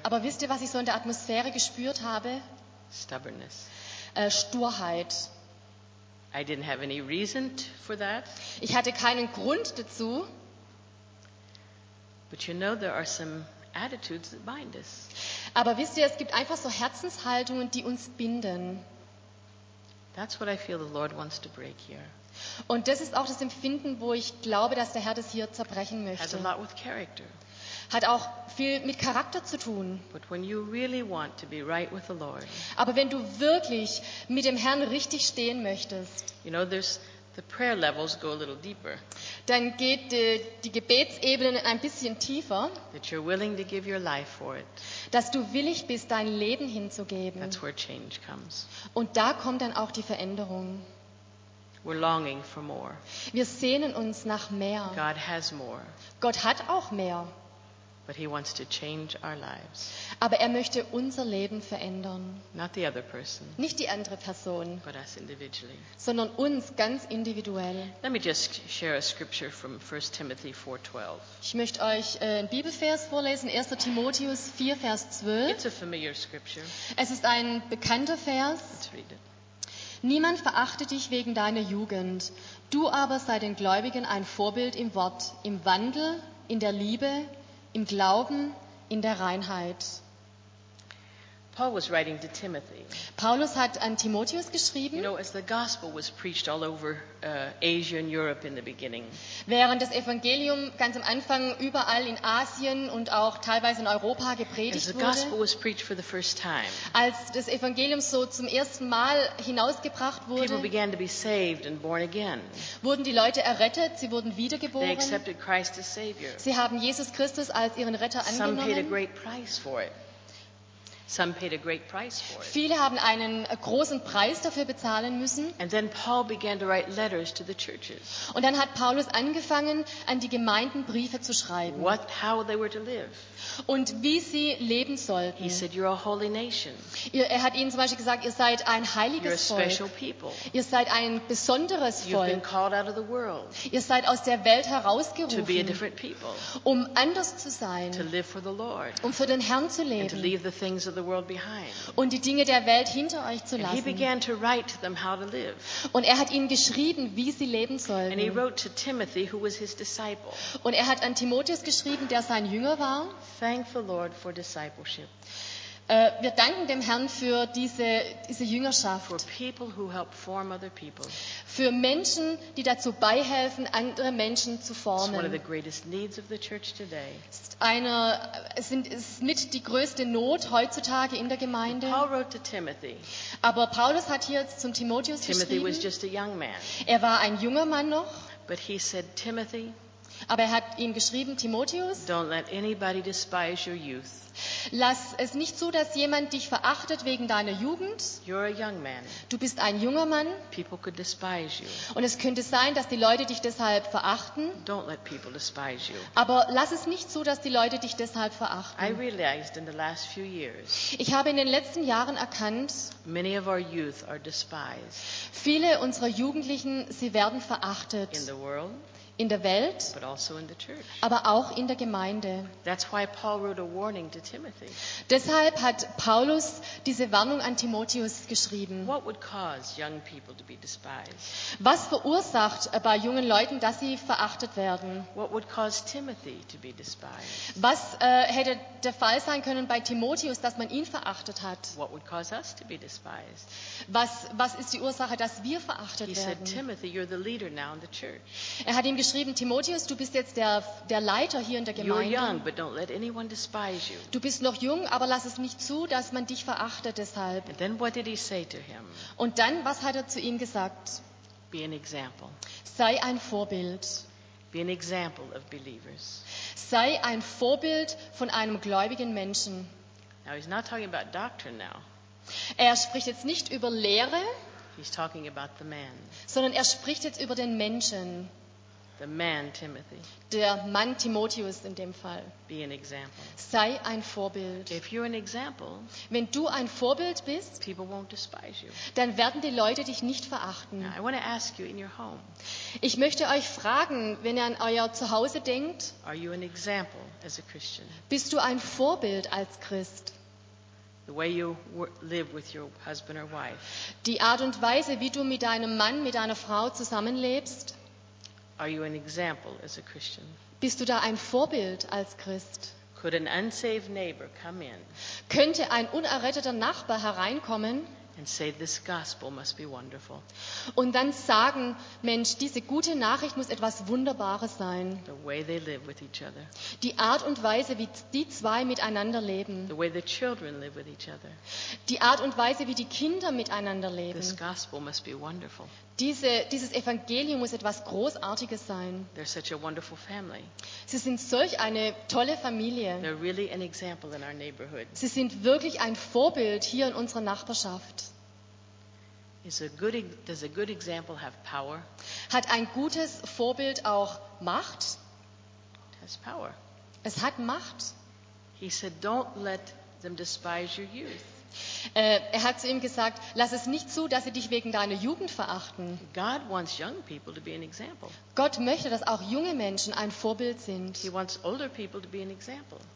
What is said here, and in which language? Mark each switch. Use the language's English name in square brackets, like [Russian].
[German] Aber wisst ihr, was ich so in der Atmosphäre gespürt habe? [English] Stubbornness. [German] Sturheit. [English] I didn't have any reason for that. [German] Ich hatte keinen Grund dazu. [English] But you know, there are some attitudes that bind us. [German] Aber wisst ihr, es gibt einfach so Herzenshaltungen, die uns binden. [English] That's what I feel the Lord wants to break here. [German] Und das ist auch das Empfinden, wo ich glaube, dass der Herr das hier zerbrechen möchte. [English] Has a lot with character. [German] Hat auch viel mit Charakter zu tun. [English] But when you really want to be right with the Lord, [German] aber wenn du wirklich mit dem Herrn richtig stehen möchtest, [English] you know, the prayer levels go a little deeper. [German] Dann geht die Gebetsebene ein bisschen tiefer. [English] That you're willing to give your life for it. [German] Dass du willig bist, dein Leben hinzugeben. [English] That's where change comes. [German] Und da kommt dann auch die Veränderung. [English] We're longing for more. [German] Wir sehnen uns nach mehr. [English] God has more. [German] Gott hat auch mehr. [English] But he wants to change our lives. [German] Aber er möchte unser Leben verändern. [English] Not the other person. [German] Nicht die andere Person. [English] But us individually. [German] Sondern uns ganz individuell. [English] Let me just share a scripture from 1 Timothy 4:12. [German] Ich möchte euch einen Bibelvers vorlesen, 1. Timotheus 4, Vers 12. [English] It's a familiar scripture. [German] Es ist ein bekannter Vers. [English] Let's read it. [German] Niemand verachte dich wegen deiner Jugend. Du aber sei den Gläubigen ein Vorbild im Wort, im Wandel, in der Liebe, im Glauben, in der Reinheit. [English] Paul was writing to Timothy. [German] Paulus hat an Timotheus geschrieben. [English] You know, as the gospel was preached all over Asia and Europe in the beginning. [German] Während das Evangelium ganz am Anfang überall in Asien und auch teilweise in Europa gepredigt wurde. [English] As the gospel was preached for the first time. [German] Als das Evangelium so zum ersten Mal hinausgebracht wurde. [English] People began to be saved and born again. [German] Wurden die Leute errettet, sie wurden wiedergeboren. [English] They accepted Christ as Savior. [German] Sie haben Jesus Christus als ihren Retter angenommen. [English] Some paid a great price for it. Some paid a great price for it. [German] Viele haben einen großen Preis dafür bezahlen müssen. [English] And then Paul began to write letters to the churches. [German] Und dann hat Paulus angefangen, an die Gemeinden Briefe zu schreiben. [English] What, how they were to live. [German] Und wie sie leben sollten. [English] He said, "You're a holy nation." [German] Er hat ihnen zum Beispiel gesagt, ihr seid ein heiliges [English] You're a [German] Volk. [English] Special people. [German] Ihr seid ein besonderes [English] You've [German] Volk. [English] Been called out of the world. [German] Ihr seid aus der Welt herausgerufen, [English] to be a different people. [German] Um anders zu sein, [English] to live for the Lord. [German] Um für den Herrn zu leben. [English] And to leave the things of the world behind. [German] Und die Dinge der Welt hinter euch zu lassen. [English] And he began to write to them how to live. [German] Und er hat ihnen geschrieben, wie sie leben sollten. [English] And he wrote to Timothy, who was his disciple. [German] Und er hat an Timotheus geschrieben, der sein Jünger war. [English] Thank the Lord for discipleship. [German] Wir danken dem Herrn für diese Jüngerschaft. [English] For people who help form other people. [German] Für Menschen, die dazu beihelfen, andere Menschen zu formen. [English] It's one of the greatest needs of the church today. [German] Es ist mit die größte Not heutzutage in der Gemeinde. [English] Paul wrote to Timothy. [German] Aber Paulus hat hier jetzt zum Timotheus [English] Timothy [German] geschrieben. [English] Was just a young man. [German] Er war ein junger Mann noch. [English] But he said, Timothy. [German] Aber er hat ihm geschrieben, Timotheus, [English] don't let anybody despise your youth. [German] Lass es nicht zu, dass jemand dich verachtet wegen deiner Jugend. [English] You're a young man. [German] Du bist ein junger Mann. [English] People could despise you. [German] Und es könnte sein, dass die Leute dich deshalb verachten. [English] Don't let people despise you. [German] Aber lass es nicht zu, dass die Leute dich deshalb verachten. [English] I realized in the last few years, [German] ich habe in den letzten Jahren erkannt, [English] many of our youth are despised. [German] Viele unserer Jugendlichen, sie werden verachtet. [English] In the world. [German] In der Welt, [English] but also in the church. [German] Aber auch in der Gemeinde. [English] That's why Paul wrote a warning to Timothy. [German] Deshalb hat Paulus diese Warnung an Timotheus geschrieben. [English] What would cause young people to be despised? [German] Was verursacht bei jungen Leuten, dass sie verachtet werden? [English] What would cause Timothy to be despised? [German] Was hätte der Fall sein können bei Timotheus, dass man ihn verachtet hat? [English] What would cause us to be despised? [German] Was ist die Ursache, dass wir verachtet [English] He [German] werden? [English] Said, Timothy, you're the leader now in the church. [German] Er hat ihm geschrieben, Timotheus, du bist jetzt der Leiter hier in der Gemeinde. [English] You're young, but don't let anyone despise you. [German] Du bist noch jung, aber lass es nicht zu, dass man dich verachtet deshalb. [English] And then what did he say to him? [German] Und dann, was hat er zu ihm gesagt? [English] Be an example. [German] Sei ein Vorbild. [English] Be an example of believers. [German] Sei ein Vorbild von einem gläubigen Menschen. [English] Now he's not talking about doctrine now. [German] Er spricht jetzt nicht über Lehre, [English] he's talking about the man. [German] Sondern er spricht jetzt über den Menschen. [English] The man, Timothy. [German] Der Mann Timotheus in dem Fall. [English] Be an example. [German] Sei ein Vorbild. [English] If you're an example, [German] wenn du ein Vorbild bist, [English] people won't despise you. [German] Dann werden die Leute dich nicht verachten. [English] Now, I want to ask you in your home, [German] ich möchte euch fragen, wenn ihr an euer Zuhause denkt, [English] are you an example as a Christian? [German] Bist du ein Vorbild als Christ? [English] The way you live with your husband or wife. [German] Die Art und Weise, wie du mit deinem Mann, mit deiner Frau zusammenlebst. [English] Are you an example as a Christian? [German] Bist du da ein Vorbild als Christ? [English] Could an unsaved neighbor come in? [German] Könnte ein unerretteter Nachbar hereinkommen? [English] And say, this gospel must be wonderful. [German] Und dann sagen, Mensch, diese gute Nachricht muss etwas Wunderbares sein. [English] The way they live with each other. [German] Die Art und Weise, wie die zwei miteinander leben. [English] The way the children live with each other. [German] Die Art und Weise, wie die Kinder miteinander leben. [English] This gospel must be wonderful. [German] Dieses Evangelium muss etwas Großartiges sein. [English] They're such a wonderful family. [German] Sie sind solch eine tolle Familie. [English] They're really an example in our neighborhood. [German] Sie sind wirklich ein Vorbild hier in unserer Nachbarschaft. [English] Does a good example have power? [German] Hat ein gutes Vorbild auch Macht? [English] It has power. [German] Es hat Macht. [English] He said, don't let them despise your youth. [German] Er hat zu ihm gesagt, lass es nicht zu, dass sie dich wegen deiner Jugend verachten. [English] God wants young people to be an example. [German] Gott möchte, dass auch junge Menschen ein Vorbild sind. [English] He wants older people to be an example.